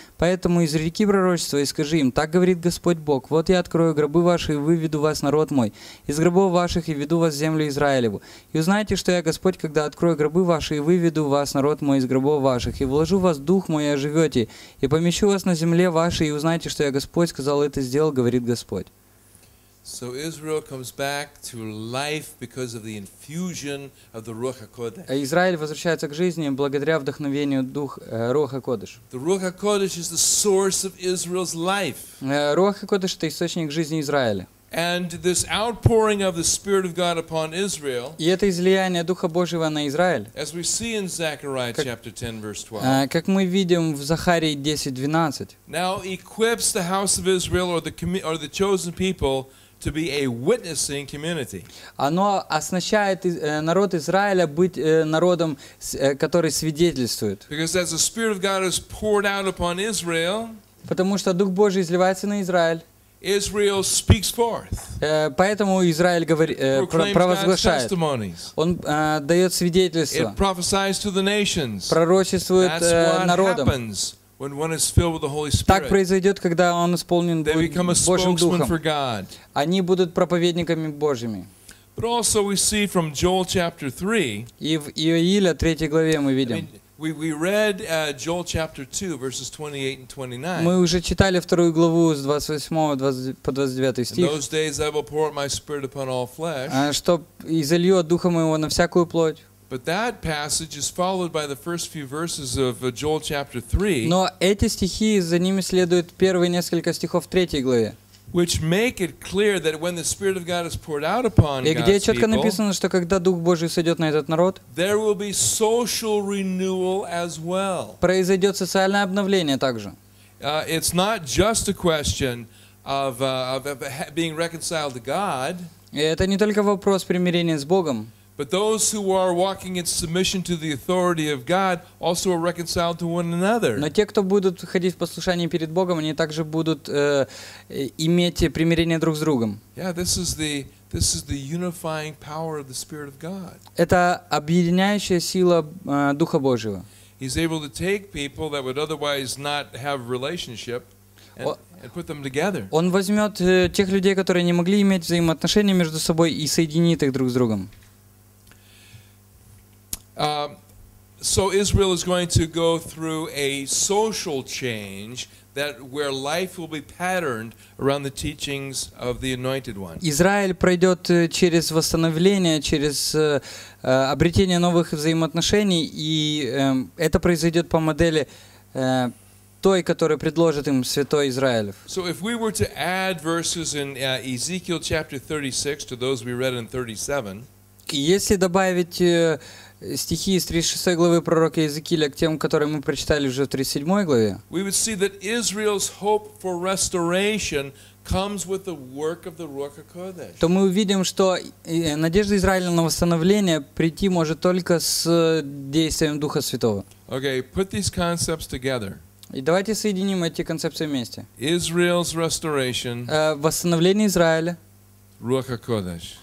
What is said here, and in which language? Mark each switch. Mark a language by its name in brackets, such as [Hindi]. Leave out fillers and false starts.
[Russian] Поэтому изреки пророчество и скажи им, так говорит Господь Бог, вот я открою гробы ваши и выведу вас, народ мой, из гробов ваших и веду вас в землю Израилеву. И узнаете, что я Господь, когда открою гробы ваши и выведу вас, народ мой, из гробов ваших, и вложу в вас дух мой, и оживете, и помещу вас на земле вашей, и узнаете, что я Господь, сказал это, сделал, говорит Господь. [English] So Israel comes back to life because of the infusion of the Ruach HaKodesh. [Russian] Израиль возвращается к жизни благодаря вдохновению духа Руах HaKodesh. [English] The Ruach HaKodesh is the source of Israel's life. [Russian] Руах HaKodesh — это источник жизни Израиля. [English] And this outpouring of the Spirit of God upon Israel. [Russian] И это излияние Духа Божьего на Израиль. [English] As we see in Zechariah chapter 10 verse 12. [Russian] Как мы видим в Захарии 10:12. [English] Now equips the house of Israel or the chosen people to be a witnessing community. [Russian] Оно оснащает народ Израиля быть народом, который свидетельствует. [English] Because as the Spirit of God is poured out upon Israel. [Russian] Потому что Дух Божий изливается на Израиль. [English] Israel speaks forth. [Russian] Поэтому Израиль говорит, провозглашает. Он дает свидетельство. [English] It prophesies to the nations. [Russian] Пророчествует народам. [English] When one is filled with the Holy Spirit, [Russian] так произойдет, когда он исполнен Божьим духом. [English] They become a spokesman for God. [Russian] Они будут проповедниками Божьими. [English] But also we see from Joel chapter 3. [Russian] И в Иоиле 3 главе мы видим. [English] We read Joel chapter 2 verses 28 and 29. [Russian] Мы уже читали вторую главу с 28 по 29 стих. [English] In those days I will pour out my spirit upon all flesh. [Russian] Чтоб излью духа моего на всякую плоть. [English] But that passage is followed by the first few verses of Joel chapter 3. [Russian] Но эти стихи, за ними следуют первые несколько стихов третьей главы. [English] Which make it clear that when the Spirit of God is poured out upon God's people, [Russian] и где четко написано, что когда Дух Божий сойдет на этот народ, [English] there will be social renewal as well. [Russian] Произойдет социальное обновление также. [English] It's not just a question of being reconciled to God. [Russian] Это не только вопрос примирения с Богом. [English] But those who are walking in submission to the authority of God also are reconciled to one another. [Russian] Но те, кто будут ходить в послушании перед Богом, они также будут иметь примирение друг с другом. [English] Yeah, this is the unifying power of the Spirit of God. [Russian] Это объединяющая сила Духа Божьего. [English] He's able to take people that would otherwise not have relationship and put them together. [Russian] Он возьмет тех людей, которые не могли иметь взаимоотношения между собой, и соединит их друг с другом. [English] So Israel is going to go through a social change that where life will be patterned around the teachings of the Anointed One. [Russian] Израиль пройдет через восстановление, через обретение новых взаимоотношений, и это произойдет по модели той, которая предложит им Святой Израилев. [English] So if we were to add verses in Ezekiel chapter 36 to those we read in 37. [Russian] Если добавить стихи из 36 главы пророка Иезекииля к тем, которые мы прочитали уже в 37 главе. [English] We would see that Israel's hope for restoration comes with the work of the Ruach HaKodesh. [Russian] То мы увидим, что надежда Израиля на восстановление прийти может только с действием Духа Святого. [English] Okay, put these concepts together. [Russian] И давайте соединим эти концепции вместе. [English] Israel's restoration. [Russian] Восстановление Израиля. Руах Акодеш.